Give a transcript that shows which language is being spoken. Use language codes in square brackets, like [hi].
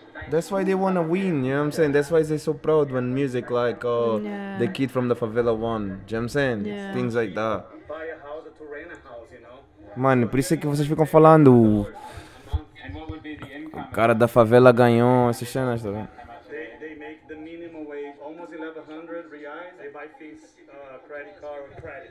[en] That's why they wanna win, you know what I'm saying? That's why they're so proud when music like the kid from the favela won. You know what I'm saying? Yeah. Things like that. Buy a house to rent a house, you know? [pt] Mano, por isso é que vocês ficam falando. O cara da favela ganhou essas cenas, tá vendo? [en] They make the minimum wage, almost 1100 reais, they buy fees, credit card or credit.